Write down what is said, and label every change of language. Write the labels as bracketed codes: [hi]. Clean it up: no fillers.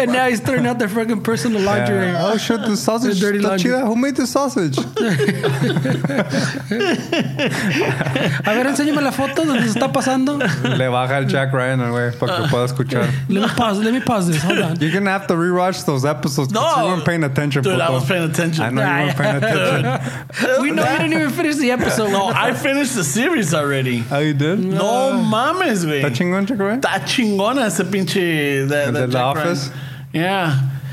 [en] And now he's throwing out their fucking personal lingerie. Yeah. Oh shit, the sausage. Dirty laundry. Who made the sausage? [es] A ver, enséñame la foto donde se está pasando. Le baja el Jack Ryan, güey, para que pueda escuchar. [en] Let me pause this. Hold on. You're going to have to rewatch those episodes. No. Paying attention, dude. Puto. I was paying attention. I know you weren't paying attention. We know you didn't even finish the episode. No, I finished the series already. Oh, you did? [es] No mames, güey. Está chingón, Jack Ryan? Está chingona ese pinche. [en] The office? Ryan. Yeah.